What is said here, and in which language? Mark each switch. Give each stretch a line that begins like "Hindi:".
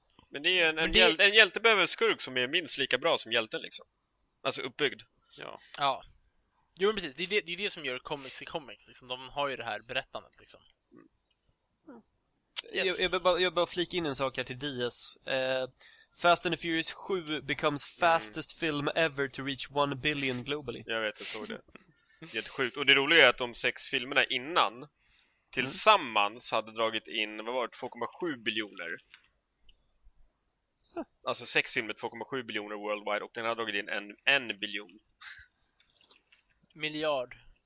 Swedish: Men det är en hjälte behöver skurk som är minst lika bra som hjälten liksom. Alltså uppbyggd. Ja. Ja. Jo, men precis, det är det som gör comics i comics liksom. De har ju det här berättandet liksom. Mm. Yes. Jag vill bara flika in en sak här till Diaz.
English: Fast and the Furious 7 becomes fastest film ever to reach 1 billion globally.
Swedish: Jag vet, jag såg det. Jättesjukt. Och det roliga är att de sex filmerna innan tillsammans hade dragit in, vad var det, 2,7 biljoner. Alltså sex filmer, 2,7 biljoner worldwide, och den hade dragit in en biljon. Miljard.